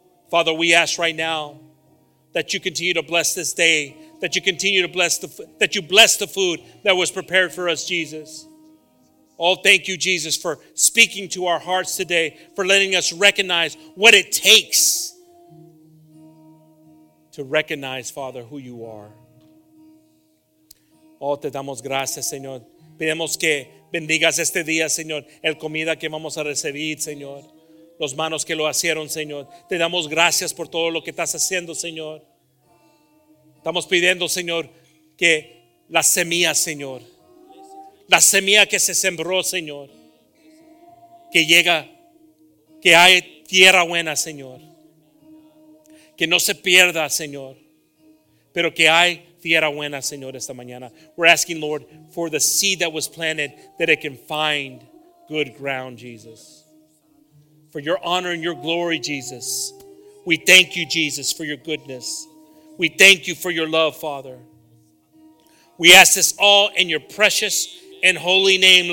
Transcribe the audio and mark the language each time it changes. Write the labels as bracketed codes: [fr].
[en] Father, we ask right now that you continue to bless this day, that you continue to bless the that you bless the food that was prepared for us, Jesus. Oh, thank you, Jesus, for speaking to our hearts today, for letting us recognize what it takes to recognize, Father, who you are. [es] Oh, te damos gracias, Señor. Pedimos que bendigas este día, Señor, el comida que vamos a recibir, Señor. Los manos que lo hicieron, Señor. Te damos gracias por todo lo que estás haciendo, Señor. Estamos pidiendo, Señor, que la semilla, Señor. La semilla que se sembró, Señor. Que llega, que hay tierra buena, Señor. Que no se pierda, Señor. Pero que hay tierra buena, Señor, esta mañana. [en] We're asking, Lord, for the seed that was planted, that it can find good ground, Jesus. For your honor and your glory, Jesus. We thank you, Jesus, for your goodness. We thank you for your love, Father. We ask this all in your precious and holy name.